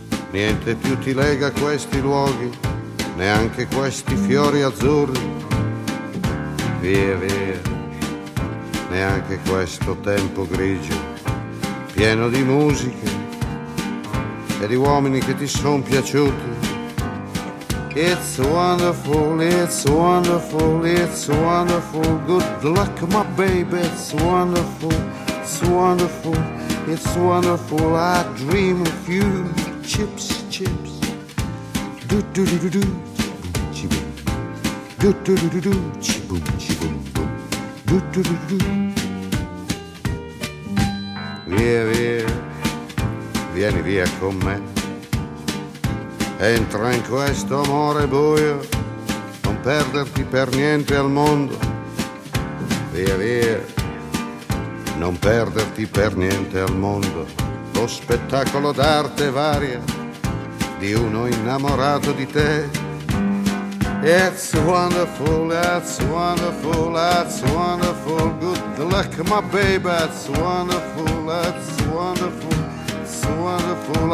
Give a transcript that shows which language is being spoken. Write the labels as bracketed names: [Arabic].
[Italian] Niente più ti lega a questi luoghi, neanche questi fiori azzurri. Via, via, neanche questo tempo grigio, pieno di musiche e di uomini che ti son piaciuti. [English] It's wonderful, it's wonderful, it's wonderful. Good luck, my baby, it's wonderful, it's wonderful, it's wonderful. I dream of you. Chips, chips, do do do do do, chibum chibum, do do do do do, chibum chibum bum, do do do do do. [Italian] Via via, vieni via con me. Entra in questo amore buio, non perderti per niente al mondo. Via via, non perderti per niente al mondo. Lo spettacolo d'arte varia di uno innamorato di te. [English] It's wonderful, that's wonderful, that's wonderful. Good luck, my baby, that's wonderful, that's wonderful, it's wonderful.